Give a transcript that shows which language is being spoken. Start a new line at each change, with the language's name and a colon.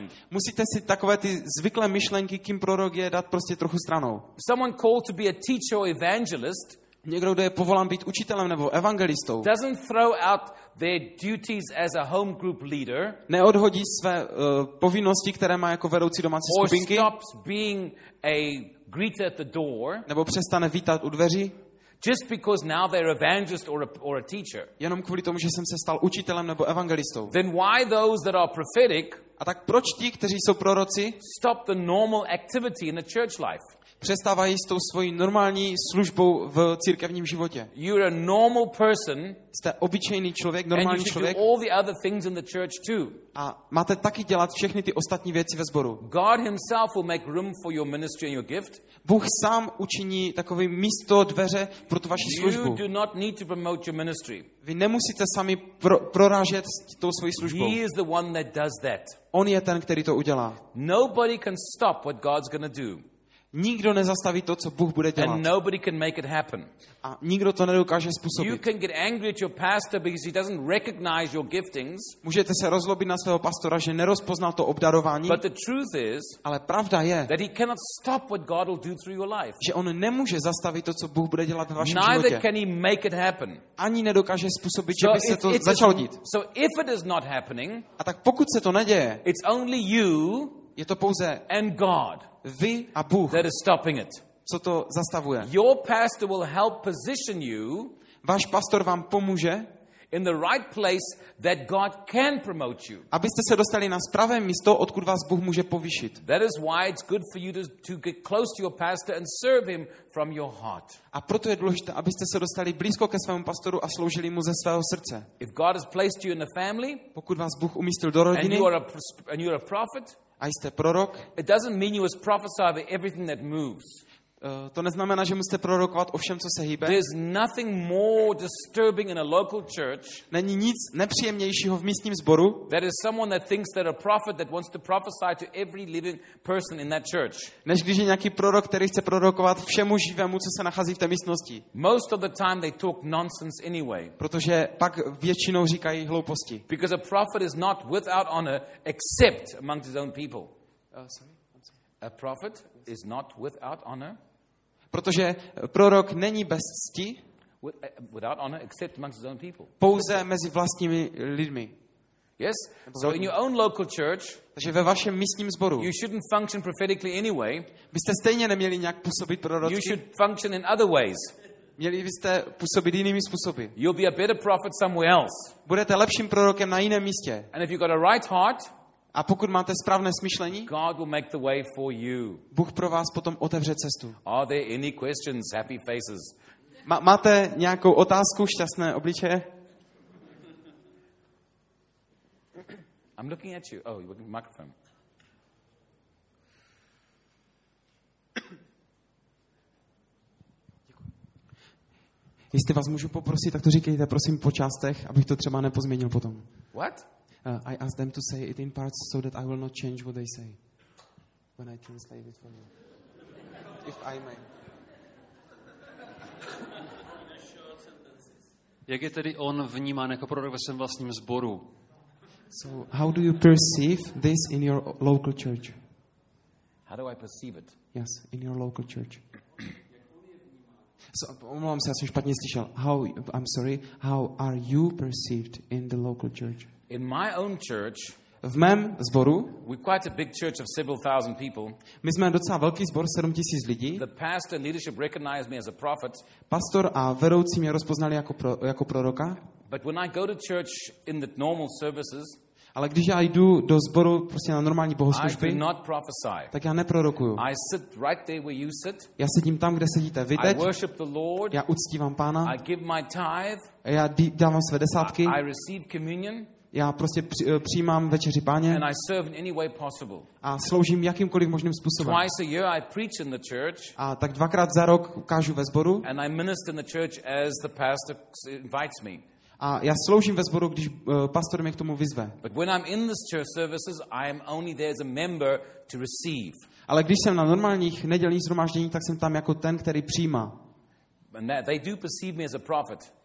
Czech: Musíte si takové ty zvyklé myšlenky, kým prorok je, dát prostě trochu stranou.
English: Someone called to be a teacher or evangelist,
Czech: někdo, kdo je povolán být učitelem nebo evangelistou,
English: doesn't throw out their duties as a home group leader,
Czech: neodhodí své povinnosti, které má jako vedoucí domácí skupinky,
English: or stops being a greeter at the door,
Czech: nebo přestane vítat u dveří,
English: just because now they're evangelist or a teacher.
Czech: Jenom kvůli tomu, že jsem se stal učitelem nebo evangelistou.
English: Then why those that are prophetic,
Czech: a tak proč ti, kteří jsou proroci,
English: stop the normal activity in the church life?
Czech: Přestávají s tou svojí normální službou v církevním životě.
English: You're a normal person,
Czech: jste obyčejný člověk, normální člověk.
English: All the other things in the church too.
Czech: A máte taky dělat všechny ty ostatní věci ve sboru.
English: God himself will make room for your ministry and your gift.
Czech: Bůh sám učiní takové místo, dveře pro tu vaši službu.
English: You do not need to promote your ministry.
Czech: Vy nemusíte sami prorážet tou svojí službou.
English: He is the one that does that.
Czech: On je ten, který to udělá.
English: Nobody can stop what God's going to do.
Czech: Nikdo nezastaví to, co Bůh bude dělat.
English: And nobody can make it happen.
Czech: A nikdo to nedokáže způsobit.
English: You can get angry at your pastor because he doesn't recognize your giftings.
Czech: Můžete se rozlobit na svého pastora, že nerozpoznal to obdarování.
English: But the truth is,
Czech: ale pravda je,
English: that he cannot stop what God will do through your life.
Czech: Že on nemůže zastavit to, co Bůh bude dělat v vašem
English: Neither
Czech: životě.
English: Can he make it happen.
Czech: Ani nedokáže způsobit, že by se to začalo dít.
English: So if it is not happening,
Czech: a tak pokud se to neděje,
English: it's only you,
Czech: je to pouze
English: and God,
Czech: vy a Bůh,
English: that is stopping it.
Czech: Co to zastavuje.
English: Your pastor will help position you,
Czech: váš pastor vám pomůže,
English: in the right place that God can promote you.
Czech: Abyste se dostali na správné místo, odkud vás Bůh může povýšit.
English: That is why it's good for you to get close to your pastor and serve him from your heart.
Czech: A proto je důležité, abyste se dostali blízko ke svému pastoru a sloužili mu ze svého srdce.
English: If God has placed you in the family,
Czech: pokud vás Bůh umístil do rodiny,
English: and you are a prophet,
Czech: a jste prorok,
English: it doesn't mean you must prophesy over everything that moves.
Czech: To neznamená, že musíte prorokovat o všem, co se hýbe.
English: There's nothing more disturbing in a local church.
Czech: Není nic nepříjemnějšího v místním sboru.
English: That is someone that thinks that a prophet that wants to prophesy to every living person in that church.
Czech: Než když je nějaký prorok, který chce prorokovat všemu živému, co se nachází v té místnosti.
English: Most of the time they talk nonsense anyway.
Czech: Protože pak většinou říkají hlouposti.
English: Because a prophet is not without honor except among his own people. A prophet is not without honor.
Czech: Protože prorok není bez cti.
English: Without honor, except amongst his own people.
Czech: Pouze mezi vlastními lidmi.
English: Yes. So in your own local church.
Czech: Takže ve vašem místním sboru.
English: You shouldn't function prophetically anyway.
Czech: Byste stejně neměli nějak působit prorocky.
English: You should function in other ways.
Czech: Měli byste působit jinými způsoby.
English: You'll be a better prophet somewhere else.
Czech: Budete lepším prorokem na jiném místě.
English: And if you've got a right heart.
Czech: A pokud máte správné smýšlení,
English: God will make the way for you.
Czech: Bůh pro vás potom otevře cestu.
English: Are there any questions? Happy faces.
Czech: Máte nějakou otázku, šťastné obličeje?
English: I'm looking at you. Oh, you're looking at the microphone.
Czech: Jestli vás můžu poprosit, tak to říkejte prosím po částech, abych to třeba nepozměnil potom.
English: What? I asked them to say it in parts so that I will not change what they say when I translate it for you. If I may.
Czech: Jak je tedy on vnímán jako prorok ve svém vlastním sboru?
English: So how do you perceive this in your local church? How do I perceive it? Yes, in your local church.
Czech: So, omlouvám se, já jsem špatně slyšel.
English: How are you perceived in the local church? In my own church,
Czech: v mém zboru,
English: we're quite a big church of several thousand people.
Czech: My jsme docela velký zbor, 7000 lidí.
English: The pastor and leadership recognized me as a prophet.
Czech: Pastor a vedoucí mě rozpoznali jako proroka.
English: But when I go to church in the normal services,
Czech: ale když já jdu do sboru prostě na normální bohoslužby,
English: I do not prophesy.
Czech: Tak já neprorokuju.
English: I sit right there where you sit.
Czech: Já sedím tam, kde sedíte vy teď.
English: I worship the Lord.
Czech: Já uctívám Pána.
English: I give my tithe.
Czech: Já dávám své desátky.
English: I receive communion.
Czech: Já prostě přijímám večeři Páně.
English: And I serve in any way possible.
Czech: A sloužím jakýmkoliv možným způsobem.
English: Twice a year I preach in the church.
Czech: A tak dvakrát za rok kážu ve sboru.
English: And I minister in the church as the pastor invites me.
Czech: A já sloužím ve sboru, když pastor mě k tomu vyzve.
English: But when I'm in this church services, I am only there as a member to receive.
Czech: Ale když jsem na normálních nedělních shromážděních, tak jsem tam jako ten, který přijímá.
English: And they do perceive me as a prophet.